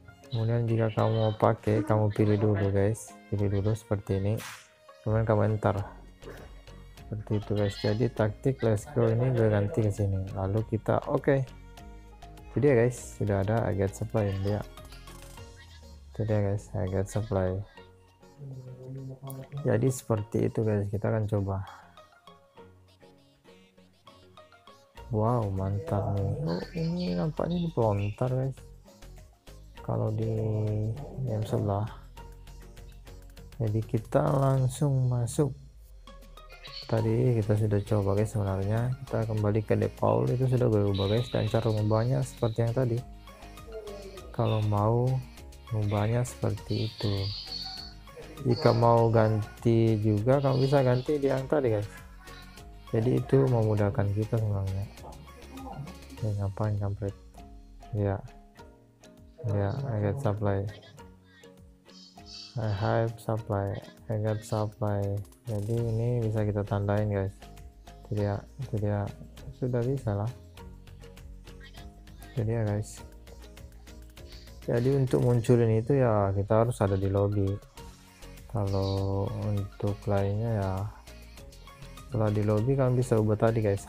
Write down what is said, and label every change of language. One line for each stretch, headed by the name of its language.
Indonesian: Kemudian jika kamu mau pakai, kamu pilih dulu guys, pilih dulu seperti ini, kemudian kamu enter seperti itu guys. Jadi taktik
English: let's go
Indonesian: ini gue ganti ke sini, lalu kita oke. Itu dia guys, sudah ada
English: I get supply
Indonesian: ini dia. Itu dia guys,
English: I get supply.
Indonesian: Jadi seperti itu guys, kita akan coba. Wow mantap nih. Oh, ini nampaknya ini pelontar guys kalau di game sebelah. Jadi kita langsung masuk. Tadi kita sudah coba guys, sebenarnya kita kembali ke default itu sudah gue ubah guys, dan cara mengubahnya seperti yang tadi. Kalau mau mengubahnya seperti itu, jika mau ganti juga kamu bisa ganti di yang tadi guys. Jadi itu memudahkan kita sebenarnya. Ya, ngapain kampret ya ya.
English: I get supply, I have supply, I got supply.
Indonesian: Jadi ini bisa kita tandain guys. Itu dia, sudah bisa lah. Itu dia guys. Jadi untuk munculin itu ya kita harus ada di lobby. Kalau untuk lainnya ya, setelah di lobby kamu bisa ubah tadi guys.